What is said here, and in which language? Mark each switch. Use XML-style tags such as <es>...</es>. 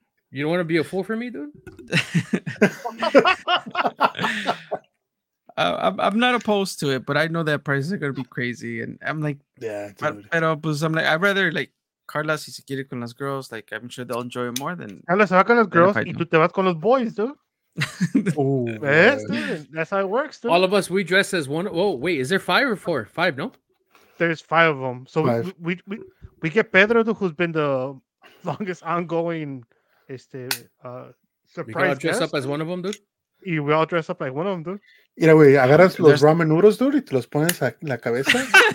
<en>you don't want to be a fool for me, dude? I'm not opposed to it, but I know that prices are going to be crazy. And I'm like, yeah, dude.</en> <es>Pero, pues,</es> <en>I'm like, I'd rather, like, Carlos,</en> <es>si se quiere con las girls,</es> <en>like, I'm sure they'll enjoy it more than...</en> <es>Carlos, se va con las girls y tú te vas con los boys, dude.</es> <en>Oh, that's how it works, dude. All of us, we dress as one... Oh, wait, is there five or four? Five, no? There's five of them. So we get Pedro, who's been the longest ongoing... surprise, we all dress up as one of them, dude.</en> <es>Mira, güey, agarras los ramen noodles, dude, y te los pones a la cabeza.</es>